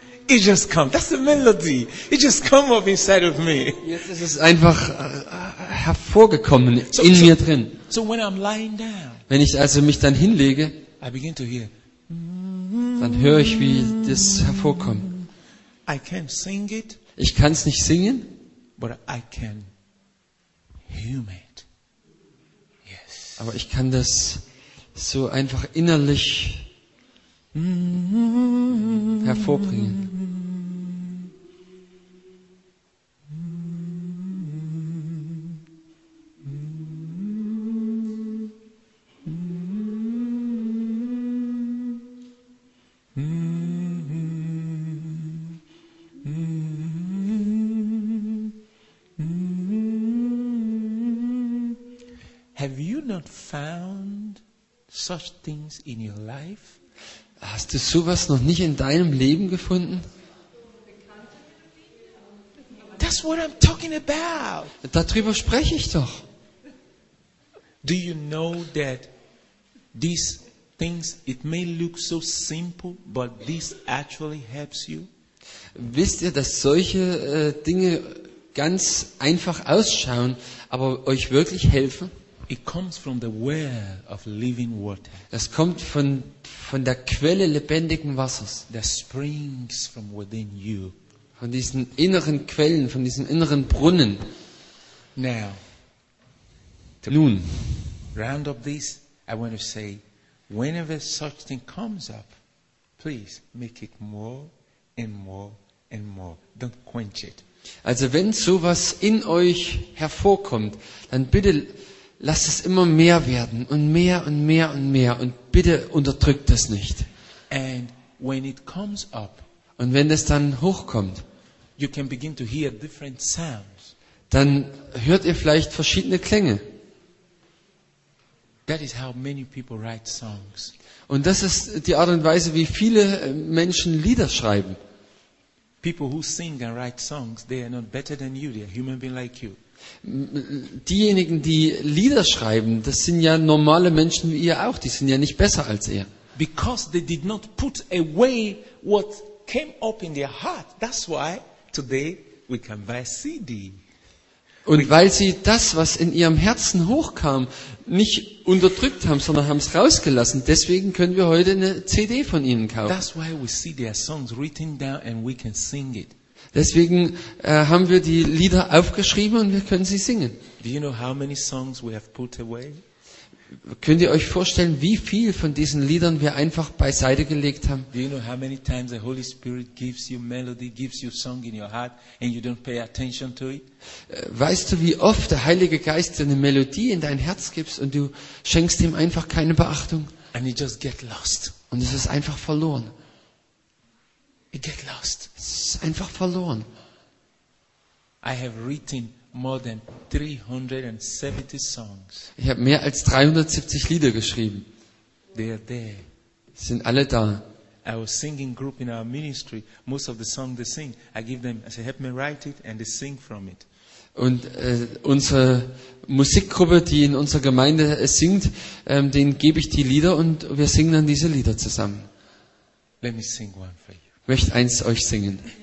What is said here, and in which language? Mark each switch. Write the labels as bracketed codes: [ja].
[en] It just comes. That's the melody. It just comes up inside of me. [de] Jetzt ist es einfach hervorgekommen in mir drin. [en] So when I'm lying down, [de] wenn ich also mich dann hinlege, [en] I begin to hear. [de] Dann höre ich, wie das hervorkommt. [en] I can't sing it. [de] Ich kann es nicht singen, [en] but I can. Humid. Yes. [de] Aber ich kann das so einfach innerlich hervorbringen. [en] Found such things in your life? [de] Hast du sowas noch nicht in deinem Leben gefunden? [en] That's what I'm talking about. [de] Darüber spreche ich doch. [en] Do you know that these things, it may look so simple, but this actually helps you? [de] Wisst ihr, dass solche Dinge ganz einfach ausschauen, aber euch wirklich helfen? [en] It comes from the well of living water. [de] Das kommt von der Quelle lebendigen Wassers. [en] That springs from within you. [de] Von diesen inneren Quellen, von diesen inneren Brunnen. [en] Now, [de] to nun, [en] round up this, I want to say, whenever such thing comes up, please make it more and more and more. Don't quench it. [de] Also wenn sowas in euch hervorkommt, dann bitte lasst es immer mehr werden und mehr und mehr und mehr und bitte unterdrückt das nicht. [en] And when it comes up, [de] und wenn es dann hochkommt, [en] you can begin to hear different sounds. [de] Dann hört ihr vielleicht verschiedene Klänge. [en] That is how many people write songs. [de] Und das ist die Art und Weise, wie viele Menschen Lieder schreiben. [en] People who sing and write songs, they are not better than you. They are human beings like you. [de] Diejenigen, die Lieder schreiben, das sind ja normale Menschen wie ihr auch. Die sind ja nicht besser als ihr. [en] Because they did not put away what came up in their heart. That's why today we can buy a CD. [de] Und weil sie das, was in ihrem Herzen hochkam, nicht unterdrückt haben, sondern haben es rausgelassen, deswegen können wir heute eine CD von ihnen kaufen. [en] That's why we see their songs written down and we can sing it. [de] Deswegen haben wir die Lieder aufgeschrieben und wir können sie singen. [en] Do you know how many songs we have put away? [de] Könnt ihr euch vorstellen, wie viel von diesen Liedern wir einfach beiseite gelegt haben? [en] Do you know how many times the Holy Spirit gives you melody, gives you song in your heart and you don't pay attention to it? [de] Weißt du, wie oft der Heilige Geist eine Melodie in dein Herz gibt und du schenkst ihm einfach keine Beachtung? [en] And you just get lost. [de] Und es ist einfach verloren. [en] You get lost. [de] Es ist einfach verloren. [en] I have written more than 370 songs. [de] Ich habe mehr als 370 Lieder geschrieben. [en] They are there. [de] Sind alle da. [en] Our singing group in our ministry, most of the songs they sing, I give them, I say, help me write it, and they sing from it. [de] Und unsere Musikgruppe, die in unserer Gemeinde singt, denen gebe ich die Lieder und wir singen dann diese Lieder zusammen. [en] Let me sing one for you. [de] Möchte eins euch singen.